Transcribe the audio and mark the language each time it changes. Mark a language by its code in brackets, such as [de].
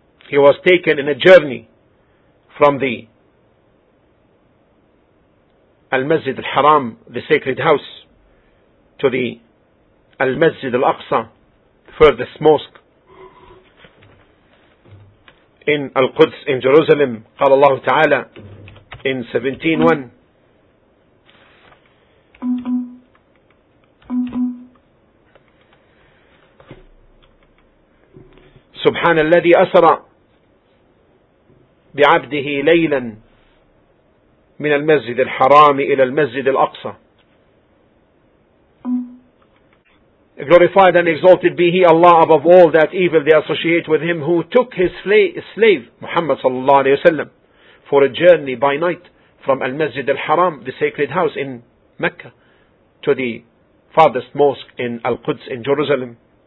[en] He was taken in a journey from the Al-Masjid Al-Haram, the sacred house, to the Al-Masjid Al-Aqsa, the furthest mosque in Al-Quds, in Jerusalem. [ar] قال الله تعالى [en] in 17:1. [ar] سبحان الذي أسرى بعبده ليلا من المسجد الحرام إلى المسجد الأقصى. [en] Glorified and exalted be He, Allah, above all that evil they associate with Him, who took His slave, Muhammad sallallahu alayhi wa sallam, for a journey by night from Al-Masjid Al-Haram, the sacred house in Mecca, to the farthest mosque in Al-Quds in Jerusalem.